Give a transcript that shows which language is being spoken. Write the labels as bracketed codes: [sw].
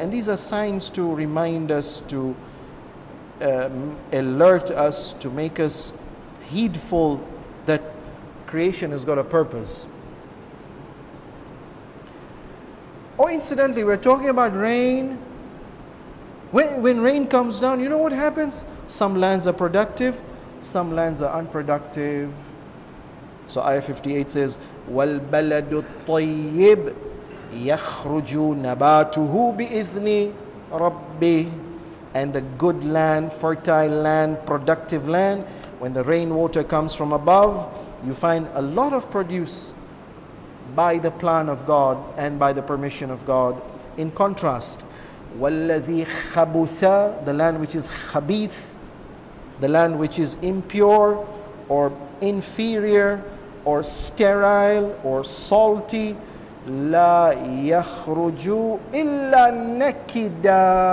[en] And these are signs to remind us, to alert us, to make us heedful that creation has got a purpose. Oh, incidentally, we're talking about rain. When rain comes down, you know what happens? Some lands are productive, some lands are unproductive. So ayah 58 says, [ar] وَالْبَلَدُ الطَّيِّبْ يَخْرُجُ نَبَاتُهُ بِإِذْنِ رَبِّهِ. [en] And the good land, fertile land, productive land, when the rainwater comes from above, you find a lot of produce by the plan of God and by the permission of God. In contrast, [ar] وَالَّذِي خَبُثَ, [en] the land which is khabith, the land which is impure or inferior or sterile or salty, [ar] la yakhruju illa nakida.